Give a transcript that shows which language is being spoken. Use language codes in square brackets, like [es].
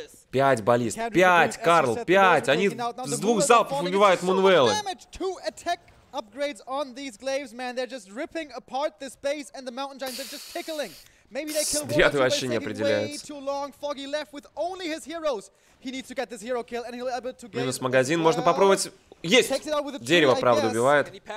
[ru] Пять баллист. Пять, Карл, пять. Они с двух залпов убивают Мунвеллы. [en] Two attack upgrades on these glaives, man. They're just ripping apart this base and the mountain giants are just tickling. Maybe they kill one, but they stayed way too long. Foggy left with only his heroes. He needs to get this hero kill and he'll be able to gain. [ru] Минус магазин, можно попробовать. Есть. Дерево, правда, убивает.